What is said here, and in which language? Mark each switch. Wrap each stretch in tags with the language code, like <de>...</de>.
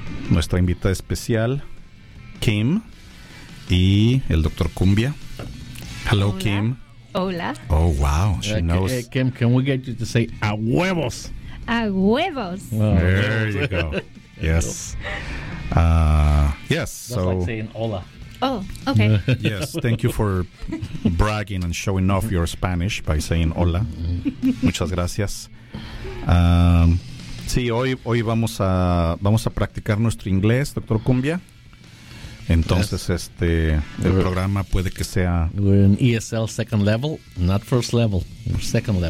<es>Nuestra invitada especial, Kim, y el doctor Cumbia.</es> <en>Hello,</en> <es>hola.</es> <en>Kim.</en> <es>Hola.</es> <en>Oh, wow. She knows. Hey, Kim, can we get you to say a huevos?</en> <es>A huevos.</es> <en>Oh, there you go. Yes. Yes. That's so, like saying hola. Oh, okay. Yes. Thank you for bragging and showing off your Spanish by saying hola.</en> <es>Muchas gracias. Sí, hoy vamos a practicar nuestro inglés, doctor Cumbia. Entonces,</es> <en>yes.</en> <es>El programa puede que sea...</es> <en>We're in ESL second level, not first level, second level.</en>